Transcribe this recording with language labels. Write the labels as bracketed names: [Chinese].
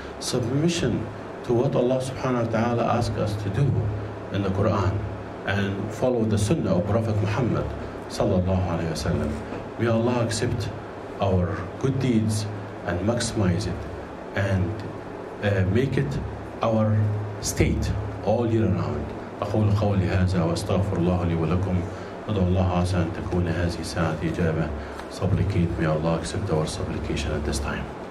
[English] Submission to what Allah subhanahu wa ta'ala asks us to do in the Quran, and follow the sunnah of Prophet Muhammad sallallahu alayhi wa sallam. May Allah accept our good deeds and maximize it, and make it our state all year round. [Arabic] أقول قولي هذا وأستغفر الله لي ولكم أدعو الله عسى أن تكون هذه ساعة إجابة [English] supplicate. May Allah accept our supplication at this time.